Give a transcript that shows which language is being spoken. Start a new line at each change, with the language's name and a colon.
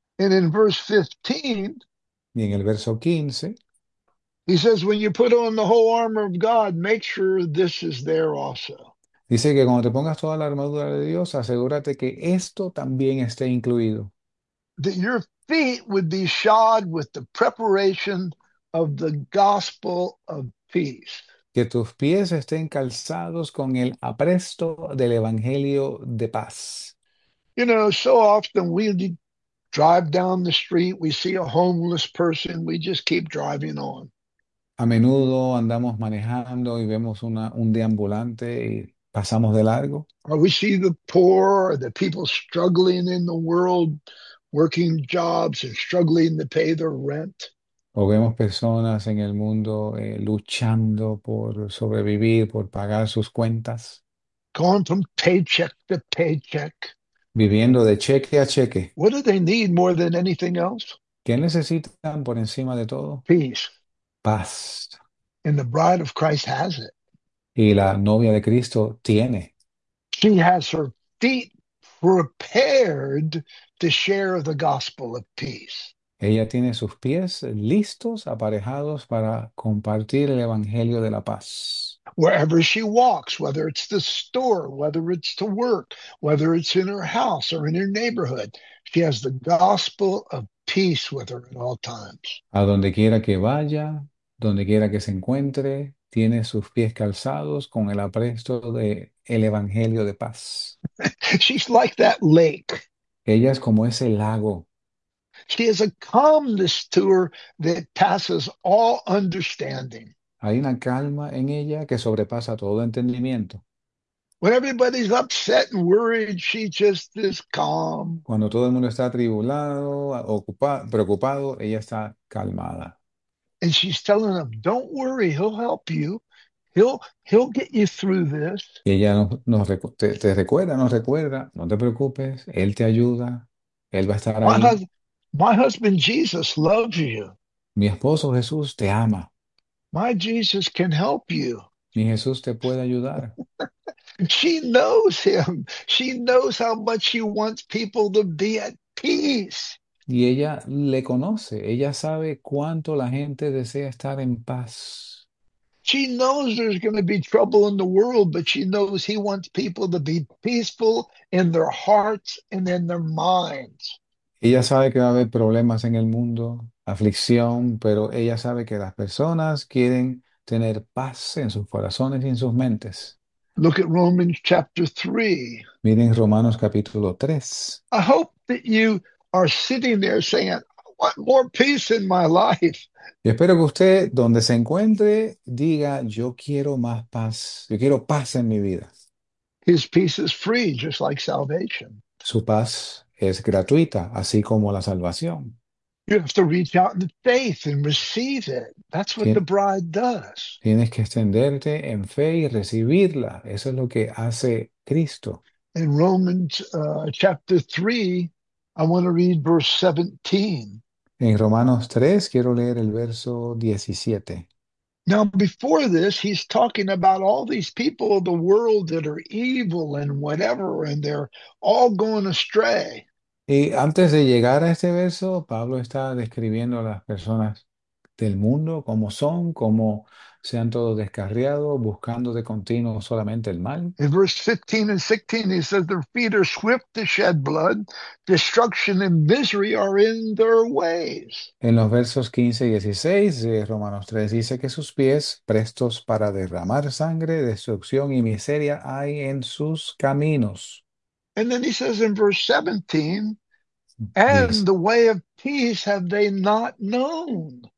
English: And in verse 15,
Spanish: Y en el verso 15,
English: he says, when you put on the whole armor of God, make sure this is there also.
Spanish: dice que cuando te pongas toda la armadura de Dios, asegúrate que esto también esté incluido.
English: That your feet would be shod with the preparation of the gospel of peace.
Spanish: Que tus pies estén calzados con el apresto del Evangelio de paz.
English: You know, so often we drive down the street, we see a homeless person, we just keep driving on.
Spanish: A menudo andamos manejando y vemos un deambulante y pasamos de largo.
English: Or we see the poor or the people struggling in the world, working jobs and struggling to pay their rent.
Spanish: O vemos personas en el mundo luchando por sobrevivir, por pagar sus cuentas,
English: Going from paycheck to paycheck.
Spanish: viviendo de cheque a cheque.
English: What do they need more than anything else?
Spanish: ¿Qué necesitan por encima de todo?
English: Peace.
Spanish: Paz.
English: And the bride of Christ has it.
Spanish: Y la novia de Cristo tiene.
English: She has her feet prepared to share the gospel of peace.
Spanish: Ella tiene sus pies listos, aparejados para compartir el Evangelio de la paz.
English: Wherever she walks, whether it's the store, whether it's to work, whether it's in her house or in her neighborhood, she has the gospel of peace with her at all times.
Spanish: A donde quiera que vaya, donde quiera que se encuentre, tiene sus pies calzados con el apresto del Evangelio de paz.
English: She's like that lake.
Spanish: Ella es como ese lago.
English: She has a calmness to her that passes all understanding.
Spanish: Hay una calma en ella que sobrepasa todo entendimiento.
English: When everybody's upset and worried, she just is calm.
Spanish: Cuando todo el mundo está atribulado, ocupado, preocupado, ella está calmada.
English: And she's telling them, don't worry, he'll help you. He'll get you through this.
Spanish: Y ella te recuerda, nos recuerda, no te preocupes, él te ayuda, él va a estar ahí.
English: My husband Jesus loves you.
Spanish: Mi esposo Jesús te ama.
English: My Jesus can help you.
Spanish: Mi Jesús te puede ayudar.
English: She knows him. She knows how much she wants people to be at peace.
Spanish: Y ella le conoce, ella sabe cuánto la gente desea estar en paz.
English: She knows there's going to be trouble in the world, but she knows he wants people to be peaceful in their hearts and in their minds.
Spanish: Ella sabe que va a haber problemas en el mundo, aflicción, pero ella sabe que las personas quieren tener paz en sus corazones y en sus mentes.
English: Look at Romans chapter 3.
Spanish: Miren Romanos capítulo 3.
English: I hope that you are sitting there saying, I want more peace in my life.
Spanish: Y espero que usted, donde se encuentre, diga, yo quiero más paz, yo quiero paz en mi vida.
English: His peace is free, just like salvation.
Spanish: Su paz es gratuita, así como la salvación.
English: You have to reach out in faith and receive it. That's what the bride does.
Spanish: Tienes que extenderte en fe y recibirla. Eso es lo que hace Cristo.
English: In Romans chapter 3, I want to read verse 17.
Spanish: En Romanos 3, quiero leer el verso 17.
English: Now, before this, he's talking about all these people of the world that are evil and whatever, and they're all going astray.
Spanish: Y antes de llegar a este verso, Pablo está describiendo a las personas del mundo, cómo son, cómo se han todos descarriado, buscando de continuo solamente el mal.
English: In verse 15 and 16, he says, their feet are swift to shed blood, destruction and misery are in their ways.
Spanish: En los versos 15 y 16 de Romanos 3 dice que sus pies, prestos para derramar sangre, destrucción y miseria, hay en sus caminos.
English: And then he says in verse 17, and
Spanish: Diez.
English: the way of peace have they not known.